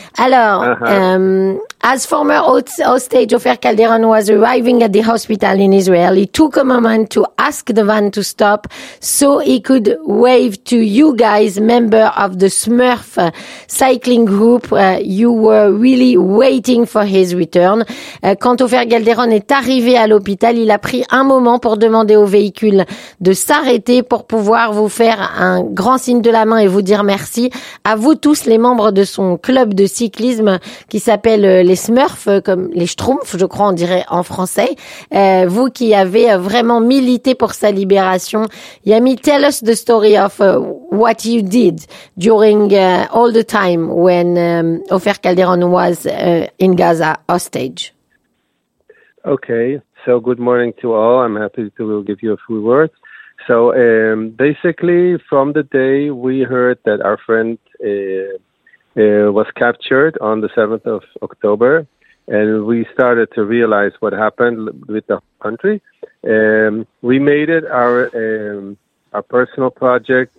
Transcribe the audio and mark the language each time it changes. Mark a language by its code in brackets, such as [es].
[en] Alors, as former hostage Ofer Calderon was arriving at the hospital in Israel, he took a moment to ask the van to stop so he could wave to you guys, member of the Smurf cycling group. You were really waiting for his return. [fr] Quand Ofer Calderon est arrivé à l'hôpital, il a pris un moment pour demander au véhicule de s'arrêter pour pouvoir vous faire un grand signe de la main et vous dire merci. À vous tous, les membres de son club de cyclisme qui s'appelle les Smurfs, comme les Schtroumpfs, je crois, on dirait en français. Vous qui avez vraiment milité pour sa libération. [en] Yami, tell us the story of what you did during all the time when Ofer Calderon was in Gaza hostage. Okay, so good morning to all. I'm happy to give you a few words. So basically, from the day we heard that our friend was captured on the 7th of October, and we started to realize what happened with the country, we made it our personal project.